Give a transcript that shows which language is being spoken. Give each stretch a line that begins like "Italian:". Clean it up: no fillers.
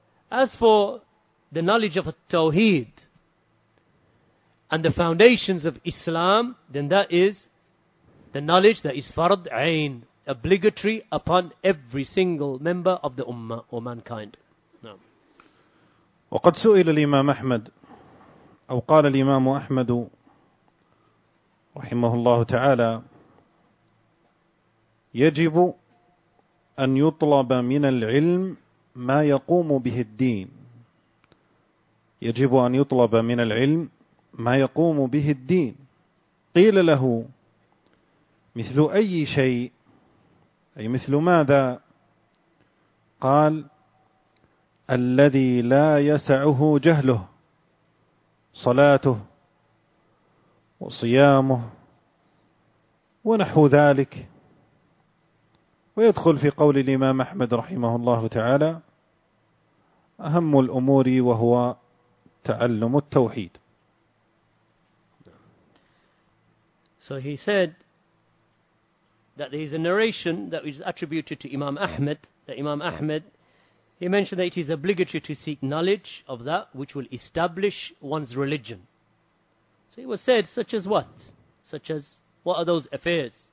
English: As for the knowledge of at-tawheed and the foundations of Islam, then that is the knowledge that is fard-ain, obligatory upon every single member of the ummah or mankind.
Arabic: وقد سئل الإمام أحمد أو قال الإمام أحمد رحمه الله تعالى يجب أن يطلب من العلم ما يقوم به الدين يجب أن يطلب من العلم ما يقوم به الدين قيل له مثل أي شيء أي مثل ماذا قال الذي لا يسعه جهله صلاته وصيامه ونحو ذلك ويدخل في قول الإمام أحمد رحمه الله تعالى أهم الأمور وهو تعلم التوحيد.
English: So he said that there is a narration that is attributed to Imam Ahmed, that Imam Ahmed, he mentioned that it is obligatory to seek knowledge of that which will establish one's religion. So it was said, such as what? Such as, what are those affairs?